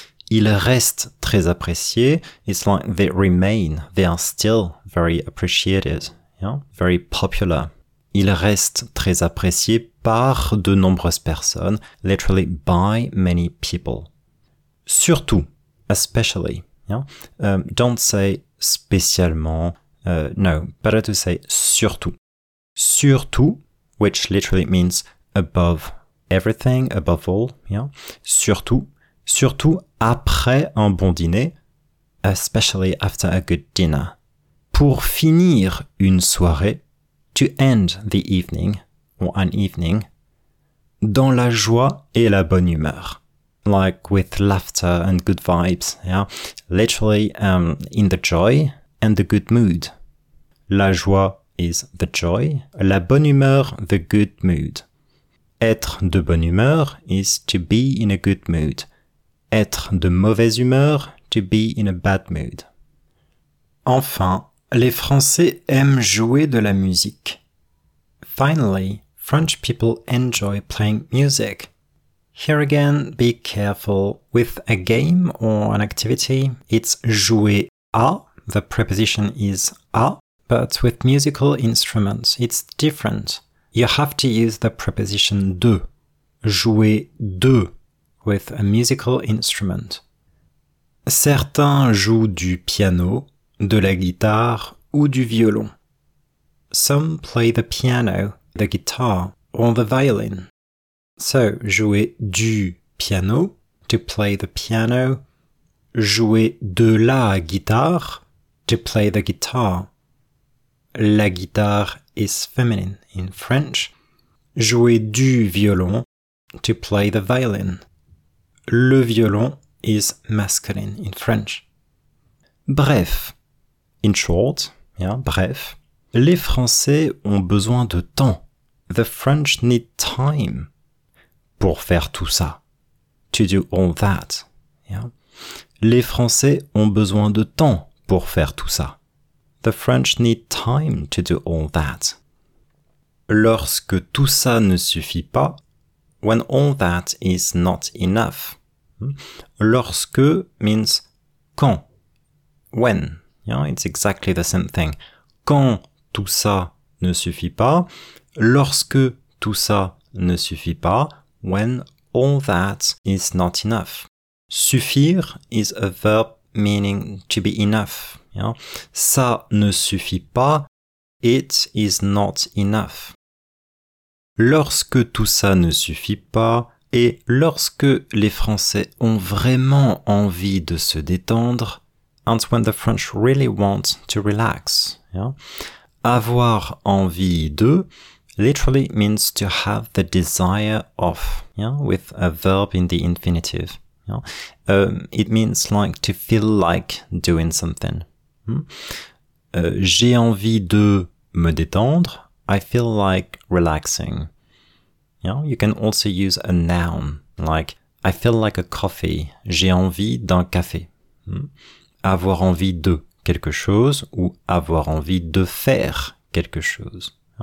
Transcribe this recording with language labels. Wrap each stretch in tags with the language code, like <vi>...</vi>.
<fr>Ils restent très appréciés.</fr> <en>It's like they remain. They are still very appreciated. Yeah? Very popular.</en> <fr>Ils restent très appréciés par de nombreuses personnes.</fr> <en>Literally by many people. Surtout, especially. Yeah? Don't say spécialement. No, better to say surtout. Surtout, which literally means above everything, above all, yeah.</en> <fr>Surtout, surtout après un bon dîner,</fr> <en>especially after a good dinner.</en> <fr>Pour finir une soirée,</fr> <en>to end the evening, or an evening,</en> <fr>dans la joie et la bonne humeur.</fr> <en>Like with laughter and good vibes, yeah. Literally, in the joy and the good mood. La joie is the joy. La bonne humeur, the good mood. Être de bonne humeur is to be in a good mood.</en> <fr>Être de mauvaise humeur,</fr> <en>to be in a bad mood.</en> <fr>Enfin, les Français aiment jouer de la musique.</fr> <en>Finally, French people enjoy playing music. Here again, be careful with a game or an activity. It's jouer à, the preposition is à, but with musical instruments, it's different. You have to use the preposition de, jouer de, with a musical instrument.</en> <fr>Certains jouent du piano, de la guitare ou du violon.</fr> <en>Some play the piano, the guitar, or the violin. So, jouer du piano, to play the piano. Jouer de la guitare, to play the guitar. La guitare is feminine in French. Jouer du violon, to play the violin. Le violon is masculine in French. Bref. In short, yeah, bref.</en> <fr>Les Français ont besoin de temps.</fr> <en>The French need time.</en> <fr>Pour faire tout ça.</fr> <en>To do all that. Yeah.</en> <fr>Les Français ont besoin de temps pour faire tout ça.</fr> <en>The French need time to do all that.</en> <fr>Lorsque tout ça ne suffit pas.</fr> <en>When all that is not enough. Lorsque means quand. When. Yeah, it's exactly the same thing.</en> <fr>Quand tout ça ne suffit pas. Lorsque tout ça ne suffit pas.</fr> <en>When all that is not enough. Suffire is a verb meaning to be enough. Yeah?</en> <fr>Ça ne suffit pas.</fr> <en>It is not enough.</en> <fr>Lorsque tout ça ne suffit pas et lorsque les Français ont vraiment envie de se détendre.</fr> <en>And when the French really want to relax. Yeah? Avoir envie de. Literally means to have the desire of, yeah, with a verb in the infinitive. Yeah? It means like to feel like doing something.</en> <fr>J'ai envie de me détendre.</fr> <en>I feel like relaxing. Yeah? You can also use a noun like I feel like a coffee.</en> <fr>J'ai envie d'un café. Avoir envie de quelque chose ou avoir envie de faire quelque chose.</fr>